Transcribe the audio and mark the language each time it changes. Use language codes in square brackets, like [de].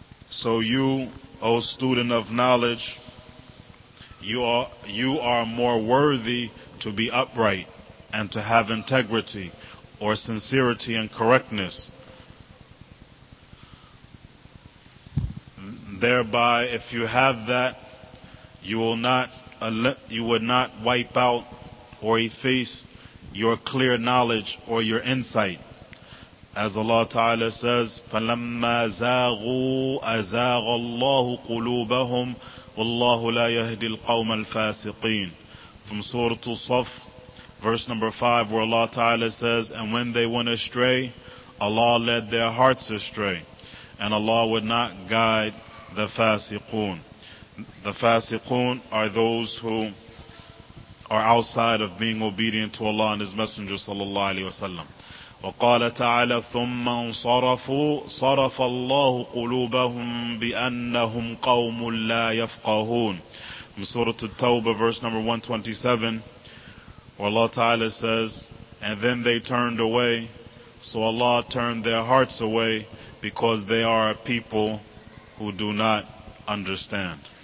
[en] So you, O student of knowledge, you are more worthy to be upright and to have integrity or sincerity and correctness. Thereby, if you have that, you would not wipe out or efface your clear knowledge or your insight. As Allah Ta'ala says, [ar] فَلَمَّا زَاغُوا أَزَاغَ اللَّهُ قُلُوبَهُمْ وَاللَّهُ لَا يَهْدِي الْقَوْمَ الْفَاسِقِينَ. [en] From Surah Al-Saff, verse number 5, where Allah Ta'ala says, and when they went astray, Allah led their hearts astray, and Allah would not guide the fasiqun. The fasiqun are those who are outside of being obedient to Allah and His Messenger sallallahu alaihi wasallam. [ar] وقال تعالى ثم انصرفوا صرف الله قلوبهم بأنهم قوم لا يفقهون. [en] From Surah At-Tawbah, verse number 127, where Allah Ta'ala says, and then they turned away So Allah turned their hearts away because they are a people who do not understand.